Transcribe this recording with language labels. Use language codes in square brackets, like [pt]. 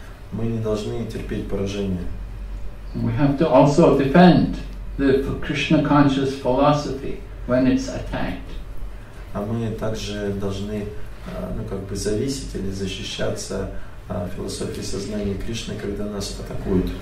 [ru] Мы не должны терпеть поражение. [en] We have to also defend the Krishna conscious philosophy when it's attacked. [ru] А мы также должны зависеть или защищаться философии сознания Кришны, когда нас атакуют.